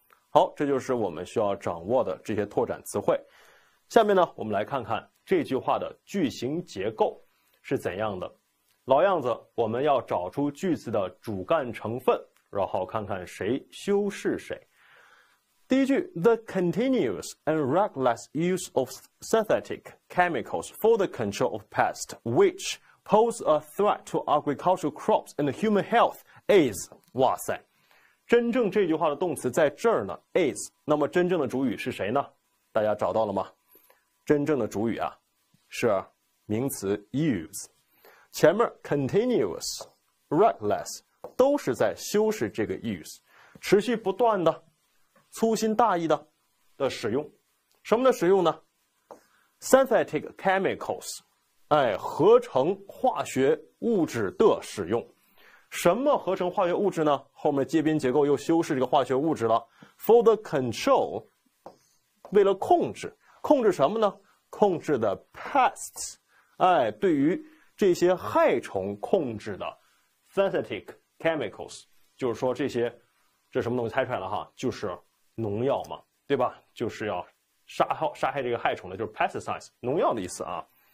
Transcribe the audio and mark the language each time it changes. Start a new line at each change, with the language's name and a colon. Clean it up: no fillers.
Chinese: 好，这就是我们需要掌握的这些拓展词汇。下面呢，我们来看看这句话的句型结构是怎样的。老样子，我们要找出句子的主干成分，然后看看谁修饰谁。第一句
English: ,the continuous and reckless use of synthetic chemicals for the control of pests, which pose a threat to agricultural crops and human health is,
Chinese: 哇塞。真正这句话的动词在这儿呢 ,is, 那么真正的主语是谁呢？大家找到了吗？真正的主语啊是名词 use。前面 continuous, reckless, 都是在修饰这个 use, 持续不断的粗心大意的使用。什么的使用呢？ Synthetic chemicals， 哎，合成化学物质的使用。什么合成化学物质呢？后面接宾结构又修饰这个化学物质了。
English: For the control，
Chinese: 为了控制。控制什么呢？控制的 pests， 哎，对于这些害虫控制的 Synthetic chemicals， 就是说这些，这什么东西猜出来了哈，就是农药嘛，对吧？就是要杀害这个害虫的，就是 pesticides， 农药的意思啊。